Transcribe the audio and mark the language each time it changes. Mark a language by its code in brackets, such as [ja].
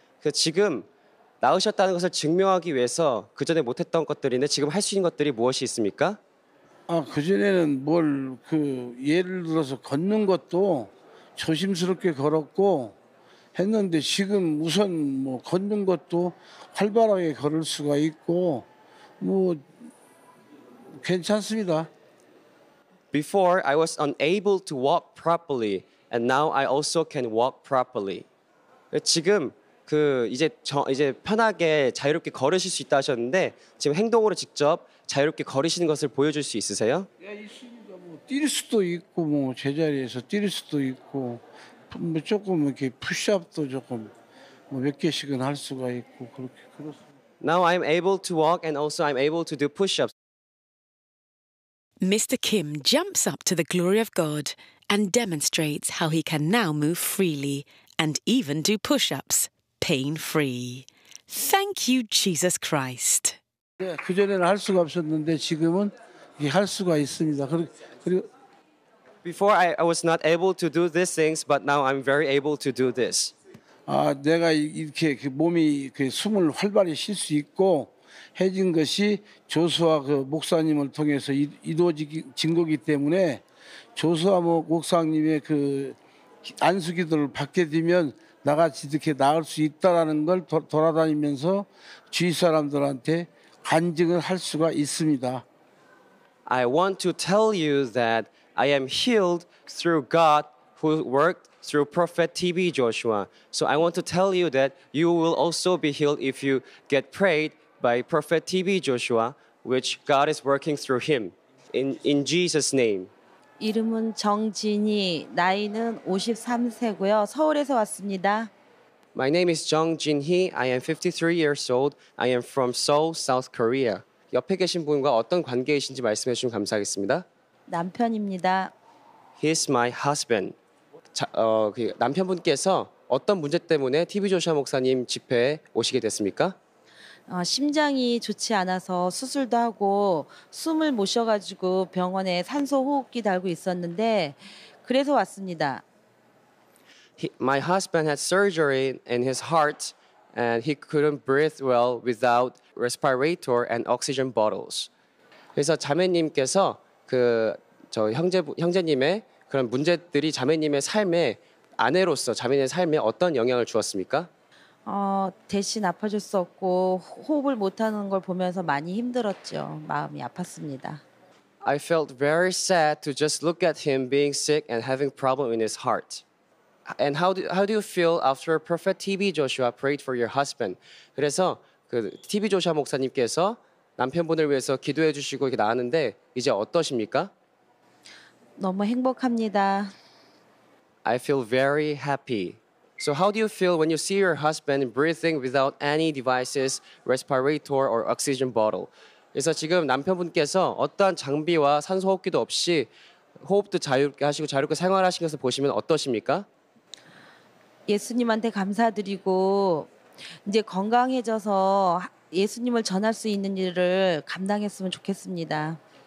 [ko] 그 지금 나으셨다는 것을 증명하기 위해서 그 전에 못했던 것들인데 지금 할 수 있는 것들이 무엇이 있습니까? 그 전에는 뭘 그 예를 들어서 걷는 것도 조심스럽게 걸었고 했는데 지금 우선 뭐 걷는 것도 활발하게 걸을 수가 있고 뭐 괜찮습니다. [en] Before I was unable to walk properly and now I also can walk properly. [ko] 지금 그 이제 편하게 자유롭게 걸으실 수 있다 하셨는데 지금 행동으로 직접 자유롭게 걸으시는 것을 보여줄 수 있으세요? 네, 있습니다. 뭐 뛸 수도 있고 뭐 제자리에서 뛸 수도 있고 뭐 조금 이렇게 푸시업도 조금 뭐 몇 개씩은 할 수가 있고 그렇게 그렇습니다. [en] Now I'm able to walk and also I'm able to do push-ups. Mr. Kim jumps up to the glory of God and demonstrates how he can now move freely and even do push-ups. Pain-free. Thank you, Jesus Christ. [ko] 네, 그 전에는 할 수가 없었는데 지금은 할 수가 있습니다. 그리고 [en] Before I was not able to do these things, but now I'm very able to do this. [ko] 내가 이렇게 그 몸이 그 숨을 활발히 쉴 수 있고 해진 것이 조수아 그 목사님을 통해서 이루어진 거기 때문에 조수아 목사님의 그 안수기도를 받게 되면 나같이 이렇게 나을 수 있다라는 걸 돌아다니면서 주위 사람들한테 간증을 할 수가 있습니다. [en] I want to tell you that I am healed through God who worked through Prophet TB Joshua. So I want to tell you that you will also be healed if you get prayed by Prophet TB Joshua, which God is working through him. In Jesus' name. [ko] 이름은 정진이, 나이는 53세고요. 서울에서 왔습니다. [en] My name is 정진희. I am 53 years old. I am from Seoul, South Korea. [ko] 옆에 계신 분과 어떤 관계이신지 말씀해 주시면 감사하겠습니다. 남편입니다. [en] He's my husband. [ko] 그 남편분께서 어떤 문제 때문에 TB 조시아 목사님 집회에 오시게 됐습니까? 심장이 좋지 않아서 수술도 하고 숨을 못 쉬어가지고 병원에 산소 호흡기 달고 있었는데 그래서 왔습니다. [en] My husband had surgery in his heart and he couldn't breathe well without respirator and oxygen bottles. [ko] 그래서 자매님께서 형제님의 그런 문제들이 자매님의 삶에 아내로서 자매님의 삶에 어떤 영향을 주었습니까? 대신 아파질 수 없고 호흡을 못하는 걸 보면서 많이 힘들었죠. 마음이 아팠습니다. [en] I felt very sad to just look at him being sick and having problem in his heart. And how do you feel after Prophet TB Joshua prayed for your husband? [ko] 그래서 그 TB 조슈아 목사님께서 남편분을 위해서 기도해 주시고 이렇게 나왔는데 이제 어떠십니까? 너무 행복합니다. [en] I feel very happy. So how do you feel when you see your husband breathing without any devices, respirator or oxygen bottle? [ko] 그래서 지금 남편분께서 어떠한 장비와 산소호흡기도 없이 호흡도 자유롭게 하시고 자유롭게 생활하시는 것을 보시면 어떠십니까? 예수님한테 감사드리고 이제 건강해져서 예수님을 전할 수 있는 일을 감당했으면 좋겠습니다.